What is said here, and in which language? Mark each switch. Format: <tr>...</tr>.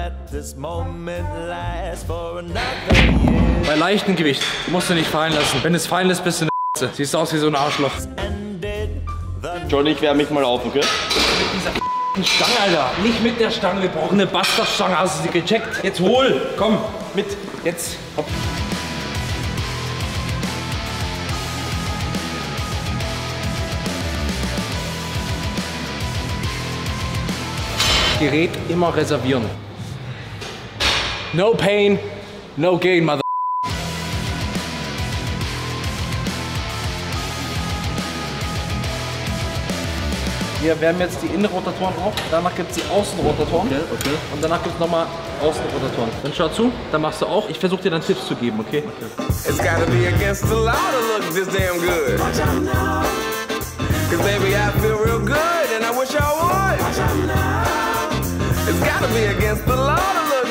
<en>This moment lasts for another year.</en> <de>Bei leichtem Gewicht musst du nicht fallen lassen. Wenn es fallen lässt, bist du eine. Siehst aus wie so ein Arschloch. Johnny, ich wärme mich mal auf, okay? Mit dieser Stange, Alter. Nicht mit der Stange. Wir brauchen eine Bastardstange. Hast du sie gecheckt? Jetzt hol! Komm, mit. Jetzt. Hopp. Gerät immer reservieren.</de> <en>No pain, no gain, mother.</en> <de>Wir wärmen jetzt die Innenrotatoren auf, danach gibt es die Außenrotatoren. Okay, okay. Und danach gibt es nochmal Außenrotatoren. Dann schau zu, dann machst du auch. Ich versuche dir dann Tipps zu geben, okay? Okay.</de> <en>It's gotta be against the law to look this damn good. Watch out now. Cause baby, I feel real good and I wish I would. Watch out now. It's gotta be against the law.</en>